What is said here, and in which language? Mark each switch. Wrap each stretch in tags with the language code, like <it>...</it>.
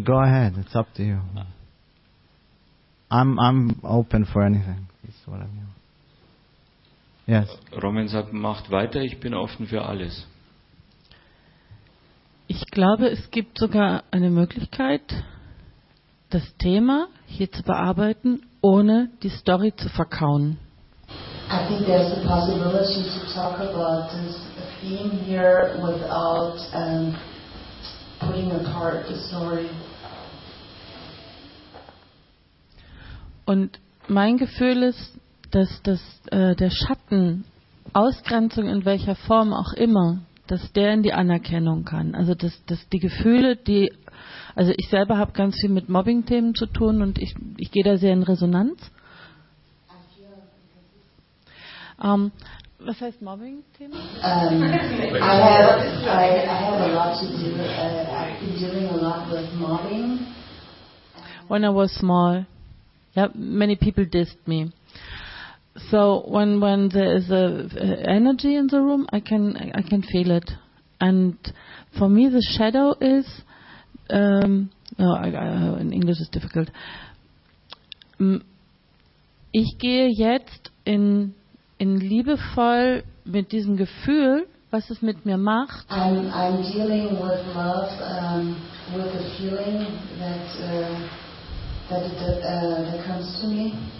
<en>Okay, go ahead, it's up to you. I'm open for anything. It's whatever. Yes.</en> <de>Roman sagt, macht weiter, ich bin offen für alles. Ich glaube, es gibt sogar eine Möglichkeit, das Thema hier zu bearbeiten, ohne die Story zu verkauen.</de> <en>I think there's a possibility to talk about this theme here without putting apart the story.</en> <de>Und mein Gefühl ist, dass das der Schatten, Ausgrenzung in welcher Form auch immer, dass der in die Anerkennung kann. Also dass die Gefühle, die, also ich selber habe ganz viel mit Mobbing-Themen zu tun und ich gehe da sehr in Resonanz. Was heißt Mobbing-Themen?</de> <en>I have a lot to do. I've been dealing a lot with mobbing. When I was small, yeah, many people dissed me. So when there is a energy in the room, I can feel it. And for me, the shadow is, in English is difficult.</en> <de>Ich gehe jetzt in liebevoll mit diesem Gefühl, was es mit mir macht.</de> <en>I'm dealing with love, with a feeling that comes to me.</en>